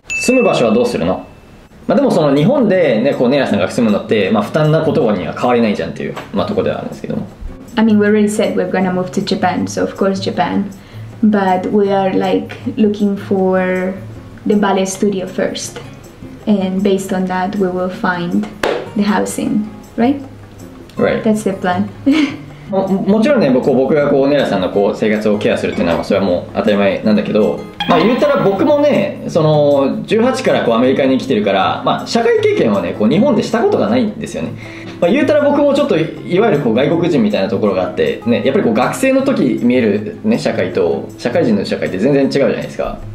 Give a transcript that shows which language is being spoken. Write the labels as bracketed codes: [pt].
[ja] 住む場所はどうするの？まあ、でもその日本でね、こうネイラさんが住むのって、まあ負担な言葉には変わりないじゃんっていう、まあとこではあるんですけども。 [en] I mean, we already said we're gonna move to Japan, so of course Japan. But we are like looking for the ballet studio first. And based on that, we will find the housing, right? Right. That's the plan. [ja] もちろんね、僕がこうネイラさんのこう生活をケアするっていうのは、それはもう当たり前なんだけど、まあ、言うたら僕もね、その18からこうアメリカに来てるから、まあ、社会経験はね、こう日本でしたことがないんですよね。まあ、言うたら僕もちょっと いわゆるこう外国人みたいなところがあって、ね、やっぱりこう学生の時見える、ね、社会と社会人の社会って全然違うじゃないですか。